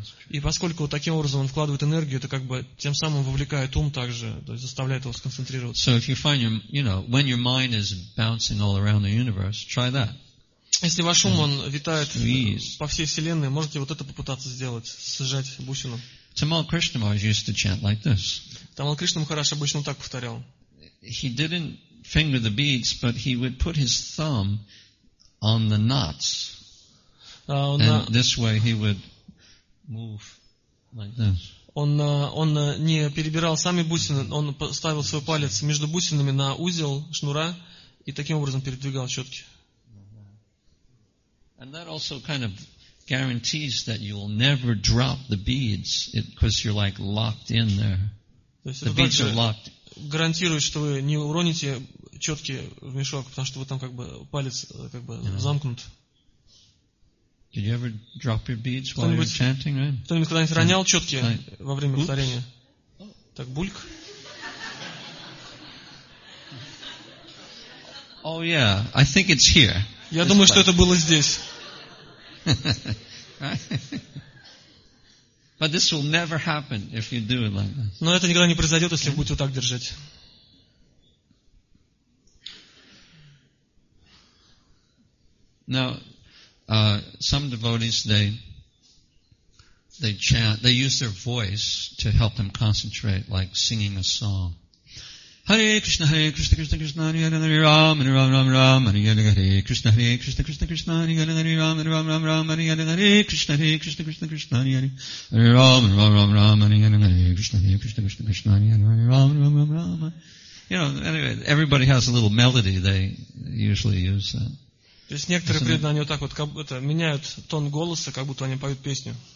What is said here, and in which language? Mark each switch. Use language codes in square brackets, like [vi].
[ru] И поскольку таким образом он вкладывает энергию, это как бы тем самым вовлекает ум также, то есть заставляет его сконцентрироваться. Если ваш ум он витает по всей вселенной, можете вот это попытаться сделать, сжать бусину. [en] Tamal Krishnamurti used to chant like this. [ru] Tamal Krishnamurti обычно так повторял. [en] He didn't finger the beads, but he would put his thumb on the knots. And this way he would move like this. [ru] Он не перебирал сами бусины, он ставил свой палец между бусинами на узел шнура и таким образом передвигал четки. [en] And that also kind of guarantees that you will never drop the beads because you're like locked in there. The beads are locked. [ru] Гарантирует, что вы не уроните четки в мешок, потому что вы там как бы палец как бы замкнут. [en] Did you ever drop your beads while you're chanting? Right? [ru] Кто-нибудь когда-нибудь ронял четки во время повторения? Так бульк. [en] Oh yeah, I think it's here. [ru] Я думаю, что это было здесь. [en] But this will never happen if you do it like this. [ru] Но это никогда не произойдет, если вы будете так держать. [en] Now, some devotees they chant, they use their voice to help them concentrate, like singing a song. [sa] Hare Krishna, Hare Krishna, Krishna Krishna, Hare Hare, Hare Ram, Hare Ram, Ram Ram, Hare Hare, Hare Krishna, Hare Krishna, Krishna Krishna, Hare Hare, Hare Ram, Hare Ram, Ram Ram, Hare Hare, Hare Krishna, Hare Krishna, Krishna Krishna, Hare Hare, Hare Ram, Hare Ram, Ram Ram, Hare Hare, Hare Krishna, Hare Krishna, Krishna Krishna, Hare Hare, Ram, Ram Ram Ram. [en] You know, anyway, everybody has a little melody they usually use. [ru] То есть некоторые преданные они вот так вот как будто меняют тон голоса, как будто они поют песню.